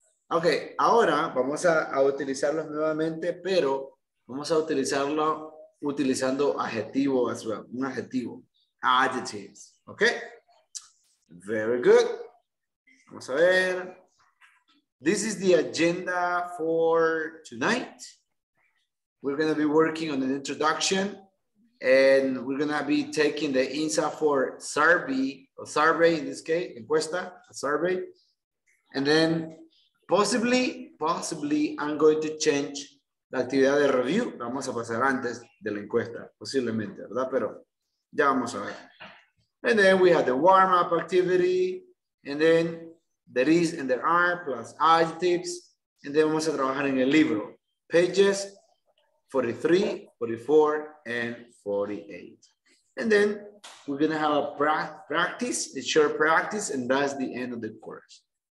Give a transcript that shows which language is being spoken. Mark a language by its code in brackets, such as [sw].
[es] Ok, ahora vamos a utilizarlos nuevamente, pero vamos a utilizarlo utilizando adjetivo as well, un adjetivo, [en] adjectives, ok, very good, [es] vamos a ver, [en] this is the agenda for tonight, we're going to be working on an introduction, and we're going to be taking the INSA for survey, in this case, encuesta, a survey, And then possibly I'm going to change [es] la actividad de [en] review. [es] Vamos a pasar antes de la encuesta, posiblemente, ¿verdad? Pero ya vamos a ver. [en] And then we have the warm-up activity. And then there is and there are plus adjectives. And then [es] vamos a trabajar en el libro. [en] Pages 43, 44, and 48. And then we're going to have a practice, a short practice, and that's the end of the course.